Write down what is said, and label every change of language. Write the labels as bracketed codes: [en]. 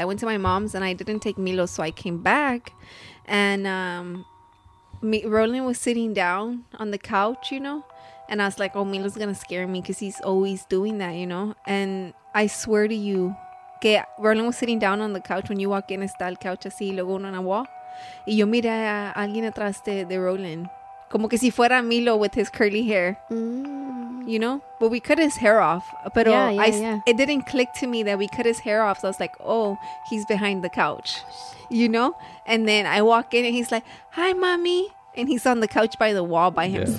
[en] I went to my mom's and I didn't take Milo, so I came back, and Roland was sitting down on the couch, you know. And I was like, oh, Milo's going to scare me, because he's always doing that, you know? And I swear to you, okay, Roland was sitting down on the couch. When you walk in, [es] está el couch así, y luego uno en la wall. Y yo miré a alguien atrás de Roland. Como que si fuera [en] Milo with his curly hair. Mm. You know? But we cut his hair off. But it didn't click to me that we cut his hair off. So I was like, oh, he's behind the couch. You know? And then I walk in and he's like, hi, mommy. And he's on the couch by the wall by himself.